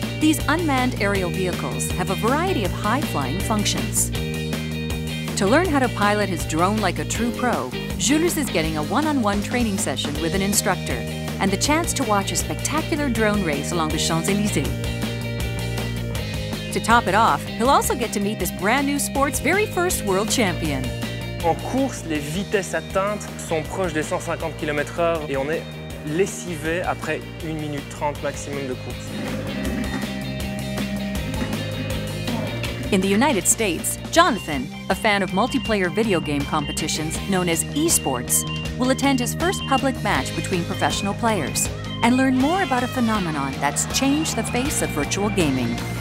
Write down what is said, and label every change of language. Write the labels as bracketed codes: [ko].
[en] These unmanned aerial vehicles have a variety of high-flying functions. To learn how to pilot his drone like a true pro, Jules is getting a one-on-one training session with an instructor and the chance to watch a spectacular drone race along the Champs-Élysées. To top it off, he'll also get to meet this brand new sport's very first world champion. [fr] En course, les vitesses atteintes sont proches des 150 km/h et on est lessivé après 1 minute 30 maximum de course. [en] In the United States, Jonathan, a fan of multiplayer video game competitions known as esports, will attend his first public match between professional players and learn more about a phenomenon that's changed the face of virtual gaming.